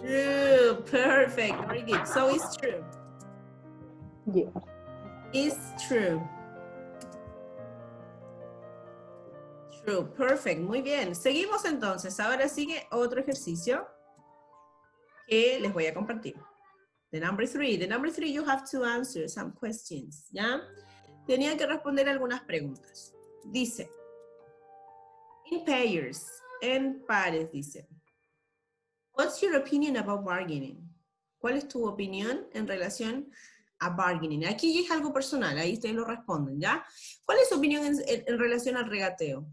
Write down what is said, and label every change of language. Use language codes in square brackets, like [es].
[en] True. Perfect. Very good. So it's true. Yeah. It's true. True, perfect, [es] muy bien. Seguimos entonces. Ahora sigue otro ejercicio que les voy a compartir. [en] The number three, you have to answer some questions, ¿ya? [es] Tenían que responder algunas preguntas. Dice, [en] in pairs, [es] en pares, dice, [en] what's your opinion about bargaining? [es] ¿Cuál es tu opinión en relación a bargaining? Aquí es algo personal, ahí ustedes lo responden, ¿ya? ¿Cuál es su opinión en relación al regateo?